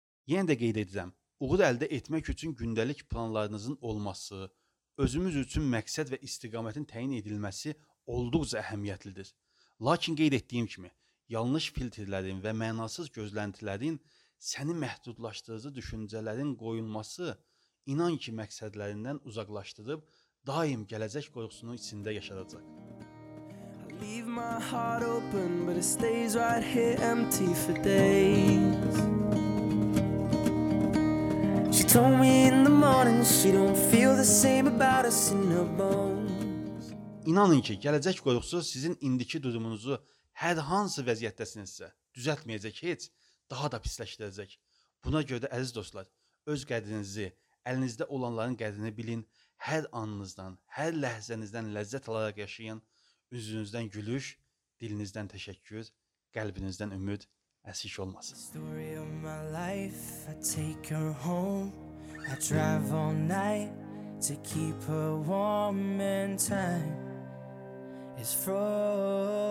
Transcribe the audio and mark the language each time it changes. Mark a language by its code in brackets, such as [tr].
[az] Yenə də qeyd edirəm, uğur əldə etmək üçün gündəlik planlarınızın olması, özümüz üçün məqsəd və istiqamətin təyin edilməsi olduqca əhəmiyyətlidir. Lakin qeyd etdiyim kimi, yanlış filtrlərin və mənasız gözləntilərin, səni məhdudlaşdırıcı düşüncələrin qoyulması, inan ki, məqsədlərindən uzaqlaşdırıb, daim gələcək qorxusunun içində yaşadacaq. [en] Leave my heart open, but it stays right here empty for days. She told me in the morning she don't feel the same about us in her bones. [az] İnanın ki, gələcək qorxusu sizin indiki durumunuzu hər hansı vəziyyətdəsinizsə düzəltməyəcək heç, daha da pisləşdirəcək. Buna görə də əziz dostlar, öz qədrinizi, əlinizdə olanların qədrini bilin, hər anınızdan, hər ləhzənizdən ləzzət alaraq yaşayın. Üzünüzdən gülüş, dilinizdən təşəkkür, qəlbinizdən ümid əsik olmasın. [en] Story of my life, I take her home. I drive all night to keep her warm in time. It's frozen.